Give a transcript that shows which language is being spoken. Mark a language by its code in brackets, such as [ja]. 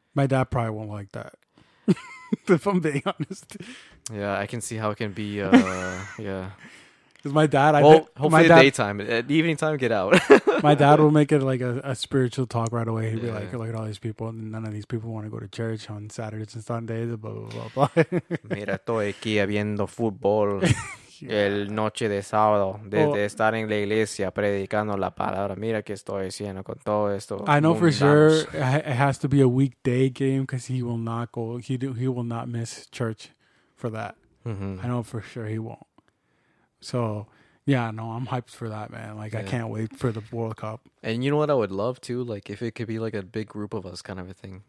[en] my dad probably won't like that. If I'm being honest. Yeah, I can see how it can be. yeah. Because my dad, daytime, at evening time, get out. My dad will make it like a spiritual talk right away. He'll be like, look at all these people. And none of these people want to go to church on Saturdays and Sundays, blah, blah, blah, blah. [es] Mira, estoy aquí viendo fútbol el noche de sábado. Desde estar en la iglesia predicando la palabra. Mira que estoy haciendo con todo esto. [en] I know for sure it has to be a weekday game because he will not go. He will not miss church for that. Mm-hmm. I know for sure he won't. So, yeah, no, I'm hyped for that, man. Like, yeah. I can't wait for the World Cup. And you know what I would love, too? Like, if it could be, like, a big group of us kind of a thing.